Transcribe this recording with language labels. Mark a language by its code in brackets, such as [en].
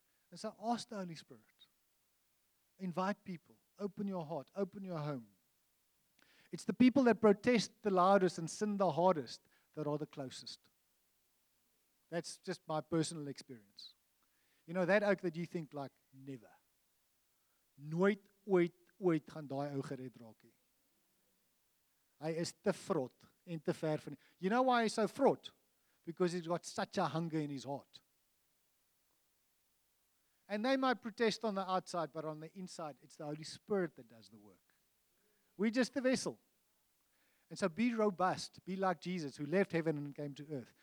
[en] And so ask the Holy Spirit. Invite people. Open your heart. Open your home. It's the people that protest the loudest and sin the hardest that are the closest. That's just my personal experience. You know, that oak that you think like, never. [af] Nooit, ooit, ooit gaan die ou gered raak nie. Hy is te vrot en te ver van. [en] You know why he's so fraught? Because he's got such a hunger in his heart. And they might protest on the outside, but on the inside, it's the Holy Spirit that does the work. We're just the vessel. And so be robust. Be like Jesus who left heaven and came to earth.